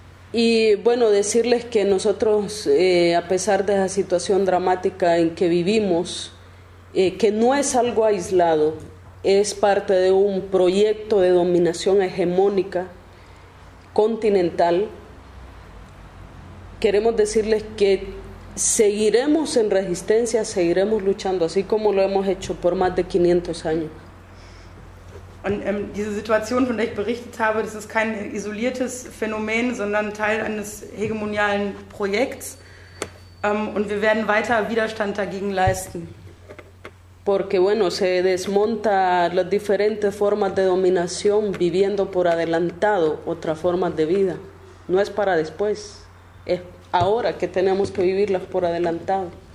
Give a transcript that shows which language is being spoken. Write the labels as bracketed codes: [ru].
[es] Y bueno, decirles que nosotros, a pesar de la situación dramática en que vivimos, que no es algo aislado, es parte de un proyecto de dominación hegemónica continental. Queremos decirles que seguiremos en resistencia, seguiremos luchando, así como lo hemos hecho por más de 500 años. [de] Und diese Situation, von der ich berichtet habe, das ist kein isoliertes Phänomen, sondern Teil eines hegemonialen Projekts. Und wir werden weiter Widerstand dagegen leisten. [es] Porque bueno, se desmonta las diferentes formas de dominación viviendo por adelantado otras formas de vida. No es para después. Es ahora que tenemos que vivirlas por adelantado.